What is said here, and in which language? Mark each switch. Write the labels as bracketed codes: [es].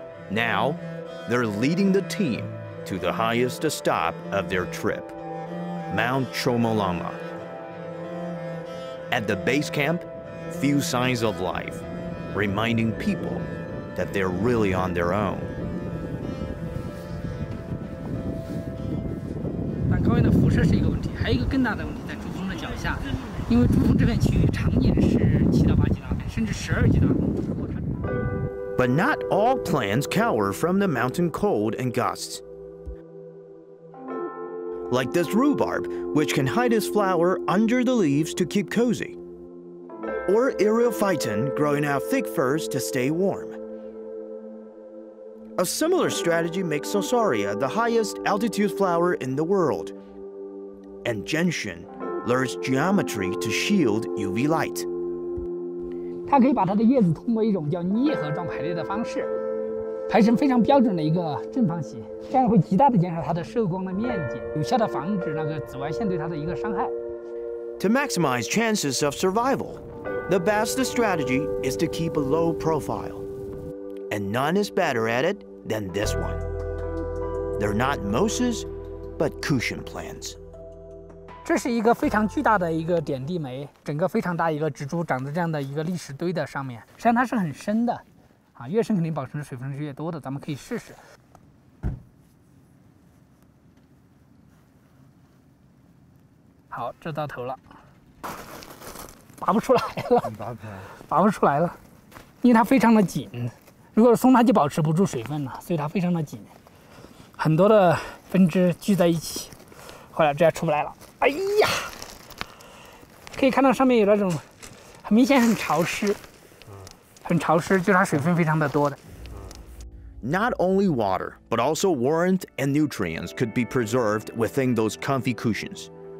[en] Now, they're leading the team to the highest stop of their trip, Mount Chomolama. At the base camp, few signs of life, reminding people that they're really on their own. But [zh] 高原的辐射是一个问题，还有一个更大的问题在珠峰的脚下，因为珠峰这片区域常年是七到八级的，甚至十二级的。 [en] But not all plants cower from the mountain cold and gusts. Like this rhubarb, which can hide its flower under the leaves to keep cozy. Or eryophyton, growing out thick furs to stay warm. A similar strategy makes Osaria the highest altitude flower in the world. And gentian learns geometry to shield UV light. [zh] 它可以把它的叶子通过一种叫捏合状排列的方式排成非常标准的一个正方形，这样会极大的减少它的射光的面积，有效的防止那个紫外线对它的一个伤害。 [en] To maximize chances of survival, the best strategy is to keep a low profile. And none is better at it than this one. They're not mosses, but cushion plants. [zh] 这是一个非常巨大的一个点地梅，整个非常大一个植株长在这样的一个砾石堆的上面，实际上它是很深的啊，越深肯定保存的水分是越多的，咱们可以试试。好，这到头了，拔不出来了，拔不出来了，因为它非常的紧，如果松它就保持不住水分了，所以它非常的紧，很多的分枝聚在一起，坏了，这下出不来了。哎呀，可以看到上面有那种很明显很潮湿，很潮湿，就是它水分非常的多的。 [en] Not only water, but also warmth and nutrients could be preserved within those comfy cushions.